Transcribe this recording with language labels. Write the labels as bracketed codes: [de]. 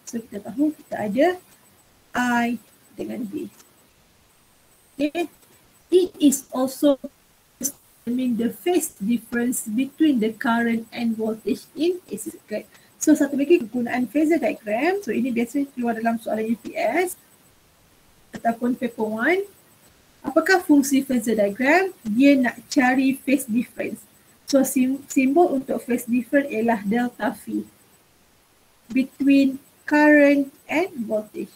[ms] So kita tahu kita ada I dengan V. Okay. [en] It is also determine the phase difference between the current and voltage in AC circuit. [ms] So satu lagi kegunaan phasor diagram. So ini biasa keluar dalam soalan UPS ataupun paper 1. Apakah fungsi phasor diagram? Dia nak cari phase difference. So simbol untuk phase difference ialah delta V [en] between current and voltage.